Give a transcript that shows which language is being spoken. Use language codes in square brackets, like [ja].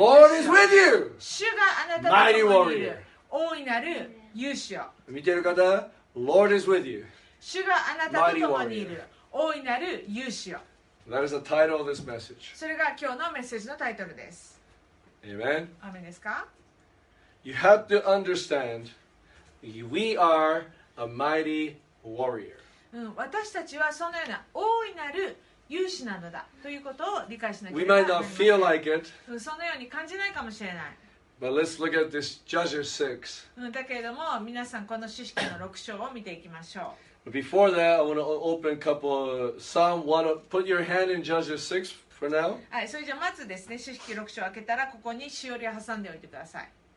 [en] 士。Lord is with you. [ja] 主があなたと共に。 [en] Mighty warrior. [ja] 大いなる勇士。見てる方、 [en] Lord is with you. [ja] 主があなたと共にいる。大いなる勇士。 [en] That is the title of this message. [ja] それが今日のメッセージのタイトルです。 [en] Amen. [ja] アメンですか? [en] You have to understand, we are a mighty warrior. [ja] 私たちはそのような大いなる勇士なのだということを理解しなければ [en] 。 We might not feel like it. [ja] そのように感じないかもしれない。 [en] But let's look at this Judges 6. [ja] だけれども皆さんこの詩式の6章を見ていきましょう。 [en] Before that, I want to open a couple of Psalm 1. Put your hand in Judges 6 for now. [ja] はい、それじゃあまずですね、詩式6章を開けたらここにしおりを挟んでおいてください。